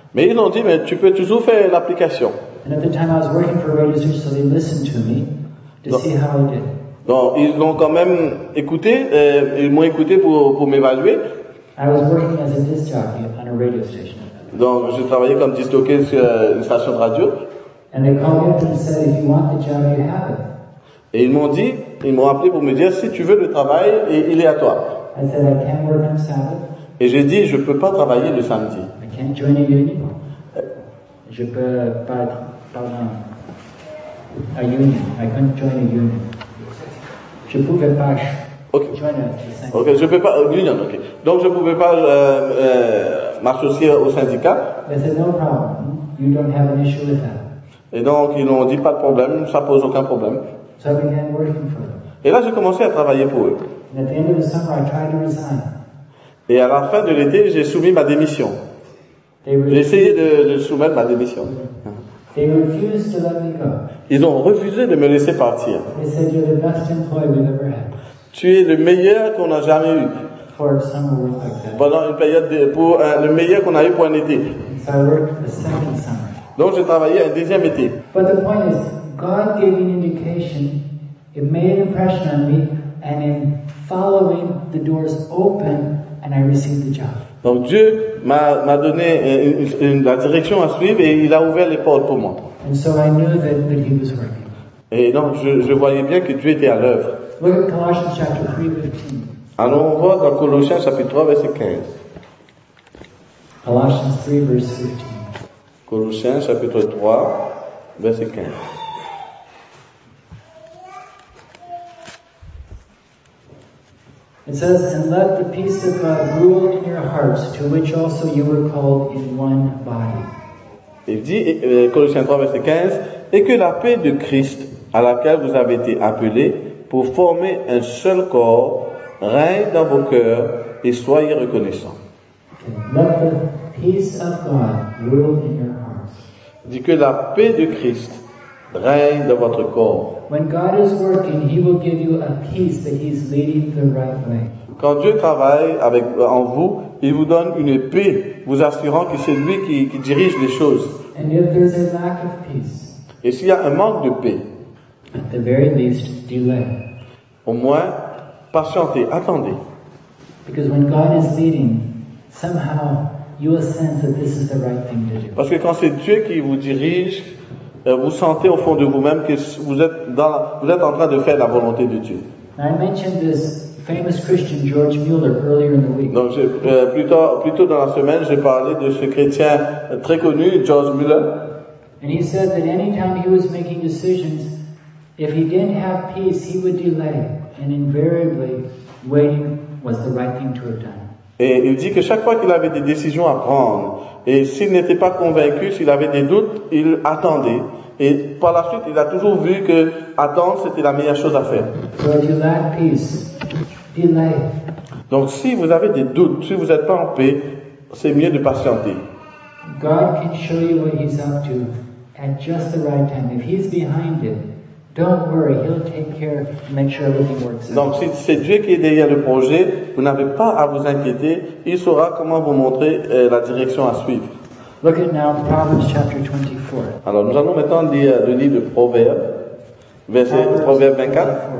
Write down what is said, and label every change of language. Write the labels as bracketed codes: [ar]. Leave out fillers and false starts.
[fr] Mais ils m'ont dit, mais tu peux toujours faire l'application. Donc, ils l'ont quand même écouté, ils m'ont écouté pour m'évaluer. [en] I was working as a disc jockey on a radio station. [fr] Donc, je travaillais comme disc-jockey sur une station de radio. [en] And they called me up and said, if you want the job, you have it. [fr] Et ils m'ont dit, ils m'ont appelé pour me dire, si tu veux le travail, il est à toi. [en] I said, I can't work on Sabbath. [fr] Et j'ai dit, je ne peux pas travailler le samedi. [en] I can't join a union. [fr] Je ne peux pas être, pardon, [en] a union. I can't join a union. [fr] Je ne pouvais pas. Okay. Je peux pas union. Okay. Donc je pouvais pas m'associer au syndicat. [en] They said no problem. You don't have an issue with that. [fr] Et donc ils n'ont dit pas de problème, ça pose aucun problème. [en] So I began working for them. [fr] Et là j'ai commencé à travailler pour eux. [en] And at the end of the summer, I tried to resign. [fr] Et à la fin de l'été, j'ai soumis ma démission. J'ai essayé de soumettre ma démission. [en] They refused to let me go. [fr] Ils ont refusé de me laisser partir. [en] They said, "You're the best employee we've ever had." [fr] Tu es le meilleur qu'on a jamais eu. [en] For a summer work like that. [fr] Pendant une période de, pour le meilleur qu'on a eu pour un été. [en] So I worked the second summer. [fr] Donc j'ai travaillé un deuxième été. [en] But the point is, God gave me an indication. It made an impression on me, and in following, the doors open, and I received the job. [fr] Donc Dieu m'a donné la direction à suivre et il a ouvert les portes pour moi. [en] And so I knew that he was working. [fr] Et donc je voyais bien que Dieu était à l'œuvre. [en] Look at Colossians chapter 3:15. [fr] Allons voir dans Colossiens chapitre 3 verset 15. [en] Colossians 3 verse 15. [fr] Colossiens chapitre 3 verset 15. [en] It says, "And let the peace of God rule in your hearts, to which also you were called in one body." [fr] Il dit, Colossiens 3, verset 15, « Et que la paix de Christ, à laquelle vous avez été appelés, pour former un seul corps, règne dans vos cœurs et soyez reconnaissants. [en] Okay. »« Let the peace of God rule in your hearts. » [fr] Il dit que la paix de Christ règne dans votre corps. [en] When God is working, He will give you a peace that He's leading the right way. [fr] Quand Dieu travaille avec en vous, il vous donne une paix, vous assurant que c'est lui qui dirige les choses. [en] And if there's a lack of peace, [fr] et s'il y a un manque de paix, [en] at the very least, delay. [fr] Au moins, patientez, attendez. [en] Because when God is leading, somehow you will sense that this is the right thing to do. [fr] Parce que quand c'est Dieu qui vous dirige, vous sentez au fond de vous-même que vous êtes en train de faire la volonté de Dieu. [en] I mentioned this famous Christian George Mueller earlier in the week. [fr] Donc, plus tôt dans la semaine, j'ai parlé de ce chrétien très connu, George Mueller. [en] And he said that any time he was making decisions, if he didn't have peace, he would delay, and invariably, waiting was the right thing to have done. [fr] Et il dit que chaque fois qu'il avait des décisions à prendre, et s'il n'était pas convaincu, s'il avait des doutes, il attendait. Et par la suite, il a toujours vu que attendre, c'était la meilleure chose à faire. [en] So if you lack peace, delay. [fr] Donc si vous avez des doutes, si vous n'êtes pas en paix, c'est mieux de patienter. [en] God can show you what he's up to at just the right time. If he's behind it, don't worry, he'll take care and make sure everything works out. [fr] Donc si c'est Dieu qui est derrière le projet, vous n'avez pas à vous inquiéter, il saura comment vous montrer la direction à suivre. [en] Look at now Proverbs chapter 24. [fr] Alors nous allons maintenant lire le livre de Proverbes, verset Proverbes 24.